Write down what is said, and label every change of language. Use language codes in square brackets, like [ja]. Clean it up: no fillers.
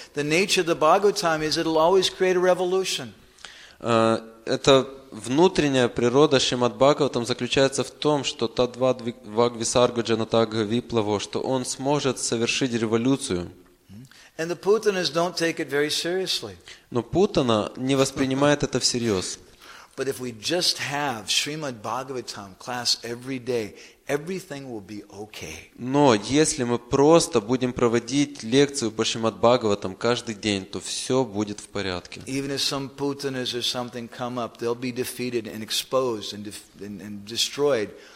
[en] The nature of the Bhagavatam is it'll always create a revolution. [ru] Это внутренняя природа Шримад Бхагаватам заключается в том, что [sa] Тадвадвиг Висарго Джанатага Виплаво, [ru] что он сможет совершить революцию. [en] And the Putanas don't take it very seriously. [ru] Но Путана не воспринимает это всерьез. [en] But if we just have Srimad Bhagavatam class every day, everything will be okay. [ru] Но если мы просто будем проводить лекцию по Шримад Бхагаватам каждый день, то все будет в порядке. [en] Even if some Putanas or something come up, they'll be defeated and exposed and destroyed.